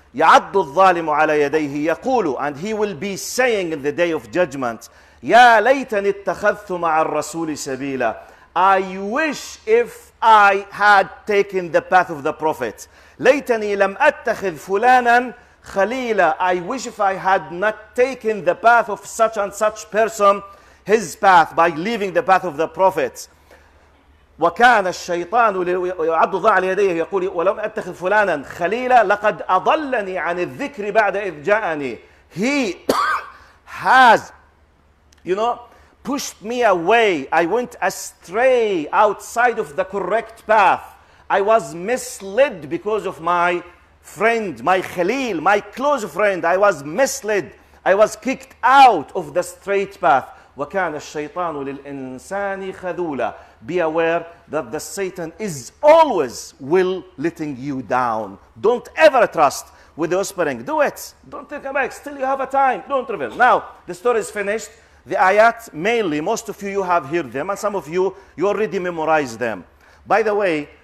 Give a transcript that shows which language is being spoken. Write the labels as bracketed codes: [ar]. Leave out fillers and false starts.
[ar] يَعَدُّ الظَّالِمُ عَلَى يَدَيْهِ يَقُولُ, [en] and he will be saying in the day of judgment, [ar] يَا لَيْتَنِ اتَّخَذْتُ مَعَ الرَّسُولِ سَبِيلًا, [en] I wish if I had taken the path of the Prophet. [ar] لَيْتَنِي لَمْ أَتَّخِذْ فُلَانًا خَلِيلًا, [en] I wish if I had not taken the path of such and such person, his path, by leaving the path of the Prophet. [ar] وكان الشيطان يعض ظهر يديه يقول ولم اتخذ فلانا خليلا لقد اضلني عن الذكر بعد اذ جاءني. [en] He has, pushed me away. I went astray outside of the correct path. I was misled because of my friend, my khalil, my close friend. I was misled. I was kicked out of the straight path. [ar] وكان الشيطان للإنسان خذولا. [en] Be aware that the Satan is always will letting you down. Don't ever trust with the whispering. Do it. Don't take a break. Still you have a time. Don't reveal. Now, the story is finished. The ayat, mainly, most of you have heard them, and some of you already memorized them. By the way,